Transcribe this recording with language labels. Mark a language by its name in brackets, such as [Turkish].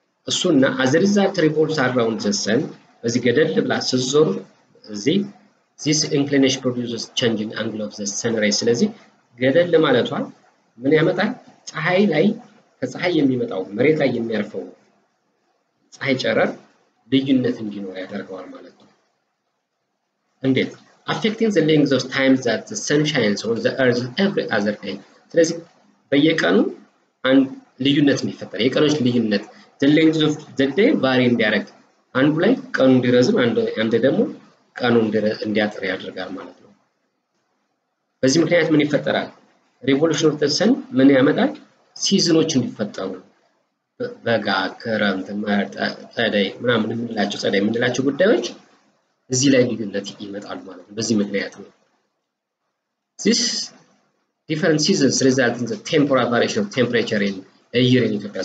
[Amharic] እሱና [English] አዘ ሪዛልት ሪቮልቭስ አራውንድ ዘ ሰን፣ [Amharic] በዚህ ገደል ብላ ስትዞር እዚህ [English] ዚስ ኢንክሊኔሽን ፕሮዲውስስ ቼንጂንግ አንግል ኦፍ ዘ ሰን ሬይ። [Amharic] ስለዚህ ገደል ማለቷ ምን ያመጣል? ፀሐይ ላይ ከፀሐይ የሚመጣው መሬት ላይ የሚያርፈው ፀሐይ ጨረር ልዩነት እንዲኖር ያደርገዋል ማለት ነው። እንዴት? [English] affecting the length of time that the sun shines on the earth every other day. [Amharic] ስለዚህ በየቀኑ ልዩነት እንዲፈጠር የቀኖች ልዩነት [English] the length of the day vary [Amharic] እንዲያደርግ፣ አንዱ ላይ ቀኑ እንዲረዝም አንድ ደግሞ ቀኑ እንዲያጥር ያደርጋል ማለት ነው። በዚህ ምክንያት ምን ይፈጠራል? [English] revolution of the sun [Amharic] ምን ያመጣል? ሲዝኖች እንዲፈጠሩ በጋ፣ ክረምት፣ ጸደይ ምናምን የምንላቸው ጸደይ የምንላቸው ጉዳዮች እዚህ ላይ ልዩነት ይመጣሉ ማለት ነው። በዚህ ምክንያት ነው [English] this different seasons result in the temporal variation of temperature in a year in Ethiopia.